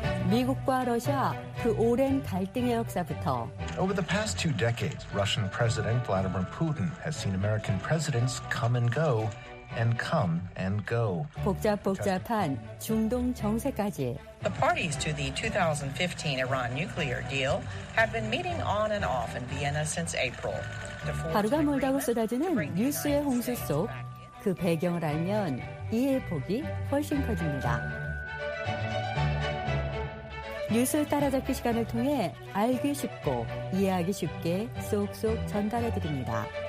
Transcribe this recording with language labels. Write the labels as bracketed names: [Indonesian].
[Korean] 미국과 러시아 그 오랜 갈등의 역사부터 [English] Over the past two decades, Russian President Vladimir Putin has seen American presidents come and go and come and go. [Korean] 복잡복잡한 중동 정세까지 [English] The parties to the 2015 Iran nuclear deal have been meeting on and off in Vienna since April. [Korean] 하루가 멀다고 쏟아지는 뉴스의 홍수 속 그 배경을 알면 이해 폭이 훨씬 커집니다. 뉴스 따라잡기 시간을 통해 알기 쉽고 이해하기 쉽게 쏙쏙 전달해 드립니다.